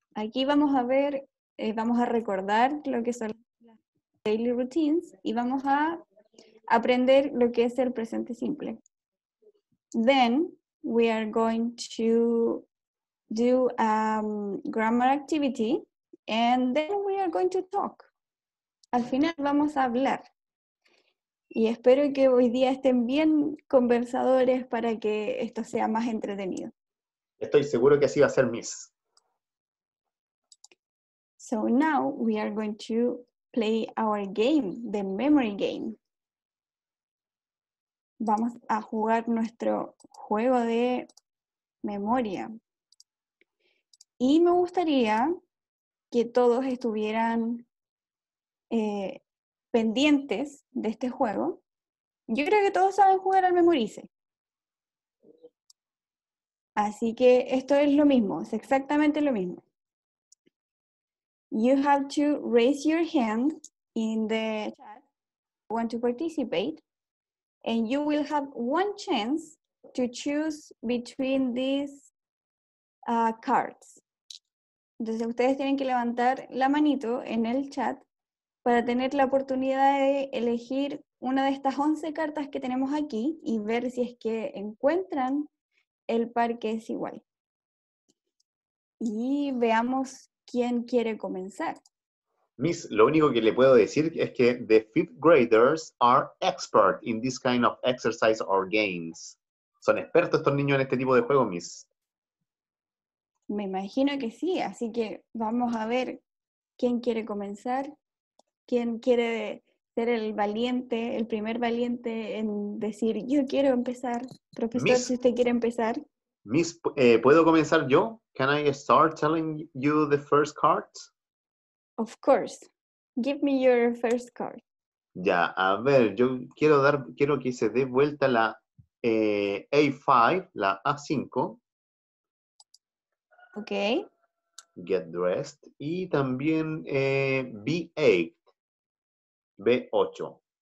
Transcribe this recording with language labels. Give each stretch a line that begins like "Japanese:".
Spanish: Aquí vamos a ver, vamos a recordar lo que son las daily routines y vamos a aprender lo que es el presente simple.
English: Then we are going to do a grammar activity and then we are going to talk.
Spanish: Al final vamos a hablar. Y espero que hoy día estén bien conversadores para que esto sea más entretenido. Estoy seguro que así va a ser, Miss.
English: So now we are going to play our game, the memory game.
Spanish: Vamos a jugar nuestro juego de memoria. Y me gustaría que todos estuvieran pendientes de este juego. Yo creo que todos saben jugar al Memorice. Así que esto es lo mismo, es exactamente lo mismo.
English: You have to raise your hand in the chat if you want to participate, and you will have one chance to choose between these cards.
Spanish: Entonces ustedes tienen que levantar la manito en el chat para tener la oportunidad de elegir una de estas 11 cartas que tenemos aquí y ver si es que encuentran el par que es igual. Y veamos quién quiere comenzar.
English: Miss,
Spanish: lo único que le puedo decir es que
English: the fifth graders are expert in this kind of exercise or games.
Spanish: Son expertos estos niños en este tipo de juego, Miss. Me imagino que sí, así que vamos a ver quién quiere comenzar, quién quiere ser el valiente, el primer valiente en decir, yo quiero empezar. Profesor, Miss, si usted quiere empezar. Miss, ¿puedo comenzar yo?
English: Can I start telling you the first card? Of course. Give me your first card.
Spanish: Ya, a ver, yo quiero que se dé vuelta la A5, la A5.
English: Ok. Get dressed.
Spanish: Y también
English: B8. B8.